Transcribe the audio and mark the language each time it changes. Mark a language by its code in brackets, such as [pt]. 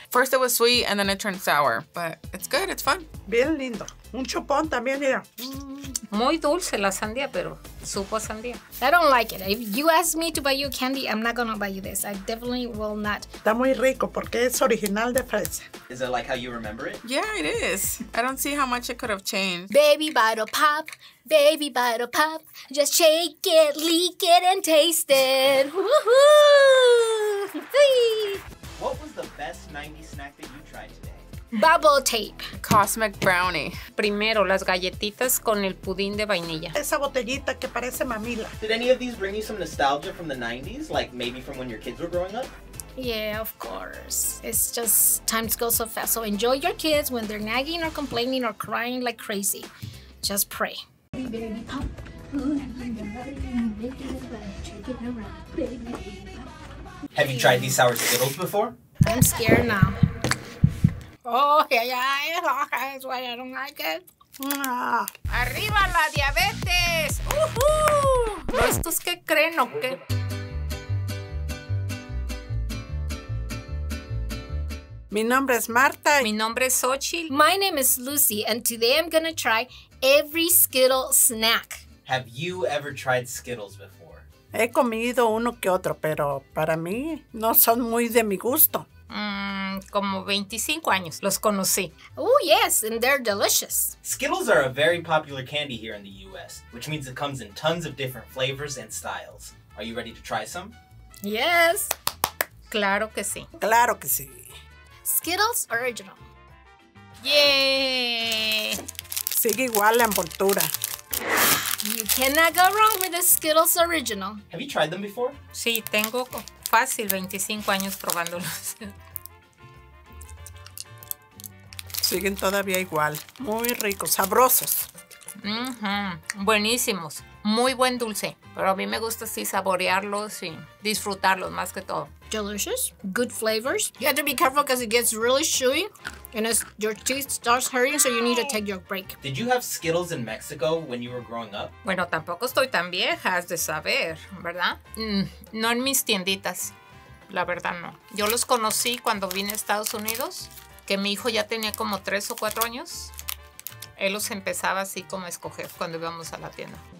[en] First it was sweet, and then it turned sour. But it's good. It's fun. [es] Bien lindo. Un chupón también, mira. Muy dulce la sandía, pero supo sandía. [en] I don't like it. If you ask me to buy you candy, I'm not going to buy you this. I definitely will not. [es] Está muy rico porque es original de fresa. [en] Is it like how you remember it? Yeah, it is. I don't see how much it could have changed. Baby bottle pop. Baby bottle pop, just shake it, leak it, and taste it. Woohoo! What was the best 90s snack that you tried today? Bubble tape. Cosmic brownie. [es] Primero, las galletitas con el pudín de vainilla. Esa botellita que parece mamila. [en] Did any of these bring you some nostalgia from the 90s? Like maybe from when your kids were growing up? Yeah, of course. It's just time goes so fast. So enjoy your kids when they're nagging or complaining or crying like crazy. Just pray. Have you tried these sour Skittles before? I'm scared now. Oh, yeah, yeah, that's why I don't like it. [es] Arriba la diabetes! Woohoo! ¿Estos qué creen o qué? Mi nombre es Marta. Mi nombre es Xochitl. [en] My name is Lucy, and today I'm gonna try every Skittle snack. Have you ever tried Skittles before? [es] He comido uno que otro, pero para mí no son muy de mi gusto. Como 25 años los conocí. [en] Oh, yes, and they're delicious. Skittles are a very popular candy here in the U.S., which means it comes in tons of different flavors and styles. Are you ready to try some? Yes. [es] Claro que sí. Claro que sí. [en] Skittles original. Yay! [es] Sigue igual la envoltura. [en] You cannot go wrong with the Skittles original. Have you tried them before? [es] Sí, tengo fácil 25 años probándolos. Siguen todavía igual. Muy ricos, sabrosos. Mm-hmm. Buenísimos. Muy buen dulce. Pero a mí me gusta así saborearlos y disfrutarlos más que todo. [en] Delicious. Good flavors. You have to be careful because it gets really chewy. And as your teeth starts hurting, so you need to take your break. Did you have Skittles in Mexico when you were growing up? [es] Bueno, tampoco estoy tan vieja, has de saber, ¿verdad? No en mis tienditas. La verdad, no. Yo los conocí cuando vine a Estados Unidos, que mi hijo ya tenía como 3 o 4 años. Él los empezaba así como a escoger cuando íbamos a la tienda.